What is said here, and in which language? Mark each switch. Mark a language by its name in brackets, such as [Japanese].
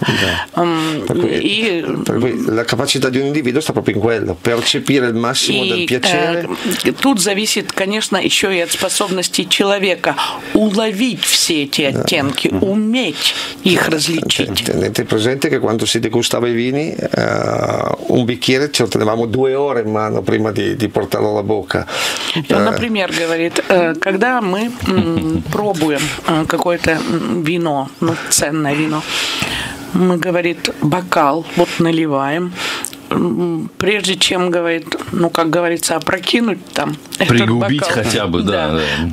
[Italian] И la capacità di un individuo sta proprio in quello, percepire il massimo del piacere. [Russian] Тут зависит, конечно, еще и от способности человека уловить все эти оттенки, уметь их различить. [Italian] Tenete presente che quando si degustava i vini, un bicchiere ce lo tenevamo 2 ore in mano prima di portarlo alla bocca. [Russian] Например, говорит, когда мы пробуем какое-то вино, ценное вино, мы, говорит, бокал вот наливаем, прежде чем, говорит, ну, как говорится, опрокинуть там этот пригубить бокал, хотя бы, да, да, да.